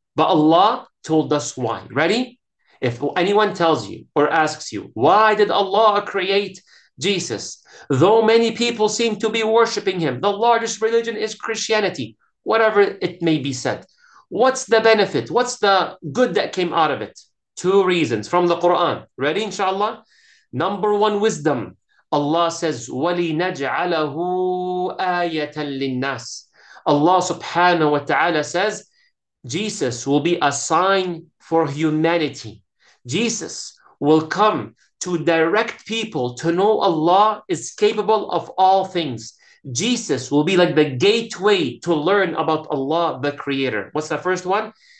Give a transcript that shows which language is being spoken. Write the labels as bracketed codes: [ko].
[en] But Allah told us why. Ready? If anyone tells you or asks you, why did Allah create Jesus? Though many people seem to be worshiping him, the largest religion is Christianity, whatever it may be said. What's the benefit? What's the good that came out of it? Two reasons from the Quran. Ready, inshallah? Number one, wisdom. Allah says, [ar] وَلِنَجْعَلَهُ آيَةً لِلنَّاسِ. [en] Allah subhanahu wa ta'ala says, Jesus will be a sign for humanity. Jesus will come to direct people to know Allah is capable of all things. Jesus will be like the gateway to learn about Allah, the Creator. What's the first one?